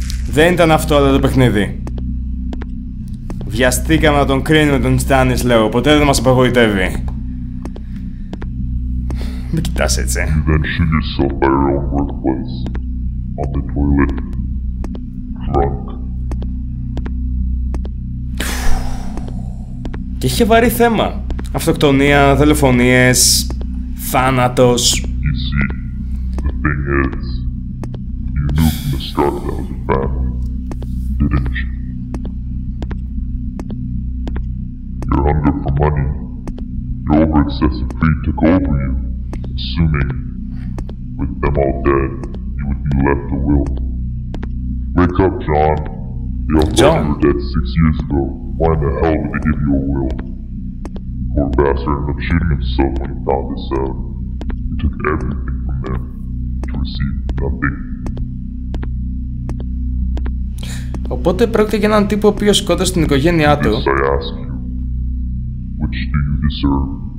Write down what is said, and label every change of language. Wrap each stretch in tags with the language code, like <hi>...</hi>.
<el>Δεν ήταν αυτό όλο το παιχνίδι. Βιαστήκαμε να τον κρίνουμε τον Στάνις, λέω. Ποτέ δεν μας απογοητεύει. Μην κοιτάς έτσι.</el> <en>You then shoot yourself by your own workplace. on the toilet, drunk.</en> <el>Και είχε βαρύ θέμα. Αυτοκτονία, δολοφονίες, θάνατος.</el> <en>You see, the thing is, you knew from the start that was a bad one, didn't you? Your hunger for money, your over-excessive greed took over you, assuming, with them all dead, you would be left to will. Wake up, John. They all thought you were dead 6 years ago. Why in the hell would they give you a will? Poor bastard ended up shooting himself when he found this out. He took everything from them to receive nothing.</en> <el>Οπότε πρόκειται για έναν τύπο ο οποίος σκότωσε την οικογένειά του.</el> <en>This I ask you, which do you deserve?</en>